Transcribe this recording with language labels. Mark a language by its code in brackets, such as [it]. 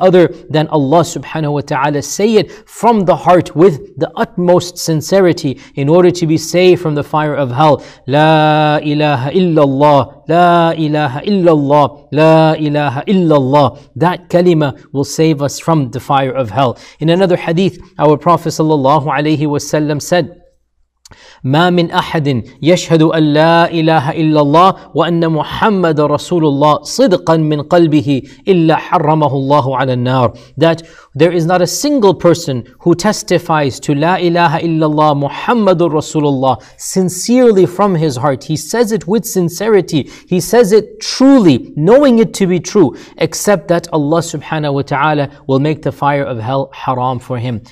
[en] other than Allah subhanahu wa ta'ala. Say it from the heart with the utmost sincerity in order to be saved from the fire of hell. [ar] La ilaha illallah, la ilaha illallah, la ilaha illallah. [en] That kalima will save us from the fire of hell. In another hadith, our Prophet sallallahu alayhi wa sallam said, [ar] مَا مِنْ أَحَدٍ يَشْهَدُ أَنْ لَا إِلَهَ إِلَّا اللَّهِ وَأَنَّ مُحَمَّدَ رَسُولُ اللَّهِ صِدْقًا مِنْ قَلْبِهِ إِلَّا حَرَّمَهُ اللَّهُ عَلَى النَّارِ. [en] That there is not a single person who testifies to La ilaha illallah Muhammadur Rasulullah sincerely from his heart. He says it with sincerity. He says it truly, knowing it to be true, except that Allah subhanahu wa ta'ala will make the fire of hell haram for him.